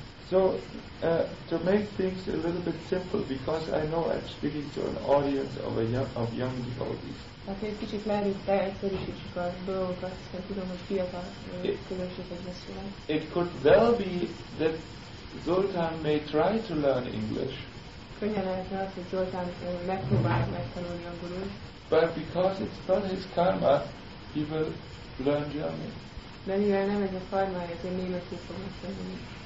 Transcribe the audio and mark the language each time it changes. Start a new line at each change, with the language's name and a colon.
English: So, to make things a little bit simple, because I know I'm speaking to an audience of young devotees.
Hungarian: Okay, kicsit leegyszerűsítsük a dolgokat, mert tudom, hogy fiatal közösséget beszélünk.
English: It could well be that Zoltán may try to learn English.
Hungarian: Könnyen lehetne az, hogy Zoltán megpróbál megtanulni angolul.
English: But because it's not his karma, he will learn German.
Hungarian: De mivel nem ez a karma, ezért németül fog megtanulni.